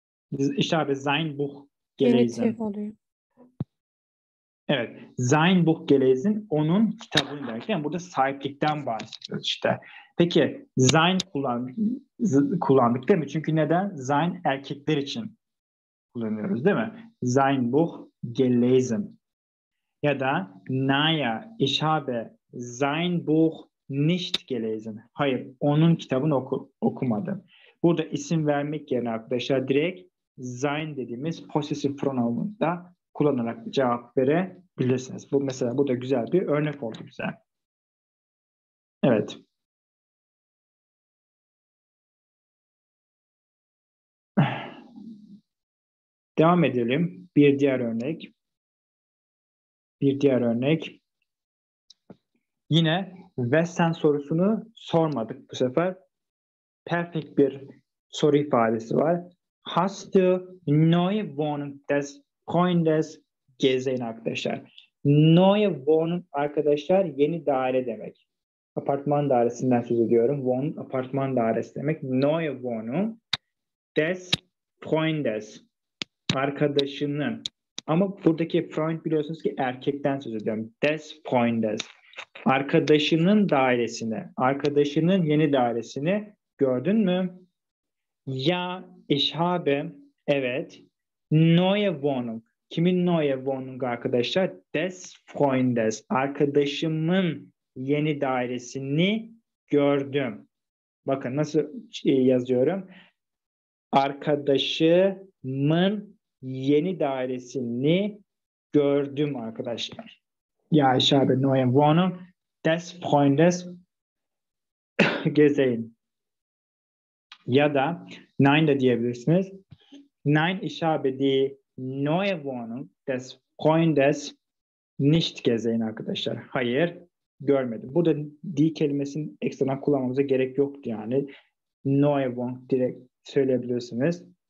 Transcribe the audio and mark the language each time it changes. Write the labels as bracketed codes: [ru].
[de] Ich habe sein Buch gelesen. [tr] Evet, [de] sein Buch gelesen. [tr] Onun kitabını derken yani burada sahiplikten bahsediyoruz işte. Peki sein kullandık değil mi? Çünkü neden? Sein erkekler için kullanıyoruz değil mi? [de] Sein Buch gelesen. [tr] Ya da [de] naya ich habe sein Buch nicht gelesen. [tr] Hayır, onun kitabını okumadım. Burada isim vermek yerine arkadaşlar direkt sein dediğimiz possessive pronoun'da kullanarak cevap verebilirsiniz. Bu mesela bu da güzel bir örnek oldu bize. Evet. Devam edelim. Bir diğer örnek. Yine Western sorusunu sormadık bu sefer. Perfect bir soru ifadesi var. [de] Hast du neue Wohnung des Freundes gesehen [tr] arkadaşlar? [de] Neue Wohnung [tr] arkadaşlar yeni daire demek. Apartman dairesinden söz ediyorum. Wohnung apartman dairesi demek. [de] Neue Wohnung des Freundes. [tr] Arkadaşının. Ama buradaki Freund biliyorsunuz ki erkekten söz ediyorum. [de] Des Freundes. [tr] Arkadaşının dairesini. Arkadaşının yeni dairesini gördün mü? [de] Ja, ich habe. [tr] Evet. [de] Neue Wohnung. [tr] Kimin [de] neue Wohnung [tr] arkadaşlar? [de] Des Freundes. [tr] Arkadaşımın yeni dairesini gördüm. Bakın nasıl yazıyorum. Arkadaşımın yeni dairesini gördüm arkadaşlar. Ya aşağıda [de] neue Wohnung des Freundes gesehen. [tr] Ya da nein de diyebilirsiniz. [de] Nein, ich habe die neue Wohnung des Freundes nicht gesehen [tr] arkadaşlar. Hayır, görmedim. Burada die kelimesini ekstradan kullanmamıza gerek yoktu yani. [de] Neue Wohnung [tr] direkt söyleyebilirsiniz.